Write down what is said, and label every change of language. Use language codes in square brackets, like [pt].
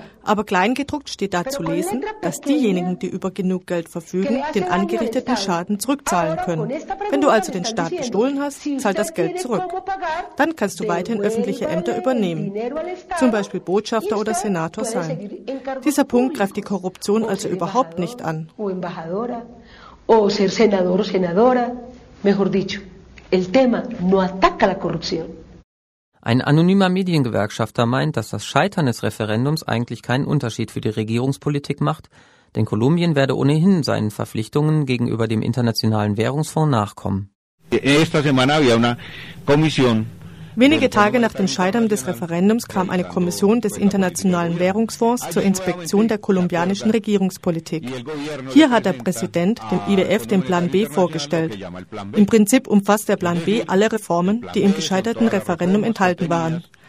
[de] Aber kleingedruckt steht da zu lesen, dass diejenigen, die über genug Geld verfügen, den angerichteten Schaden zurückzahlen können. Wenn du also den Staat gestohlen hast, zahlt das Geld zurück. Dann kannst du weiterhin öffentliche Ämter übernehmen, zum Beispiel Botschafter oder Senator sein. Dieser Punkt greift die Korruption also überhaupt nicht an. [es] O ser senador o senadora, mejor dicho, el tema no ataca la corrupción. [de] Ein anonymer Mediengewerkschafter meint, dass das Scheitern des Referendums eigentlich keinen Unterschied für die Regierungspolitik macht, denn Kolumbien werde ohnehin seinen Verpflichtungen gegenüber dem Internationalen Währungsfonds nachkommen. [es] Esta semana había una comisión. [de] Wenige Tage nach dem Scheitern des Referendums kam eine Kommission des Internationalen Währungsfonds zur Inspektion der kolumbianischen Regierungspolitik. Hier hat der Präsident dem IWF den Plan B vorgestellt. Im Prinzip umfasst der Plan B alle Reformen, die im gescheiterten Referendum enthalten waren.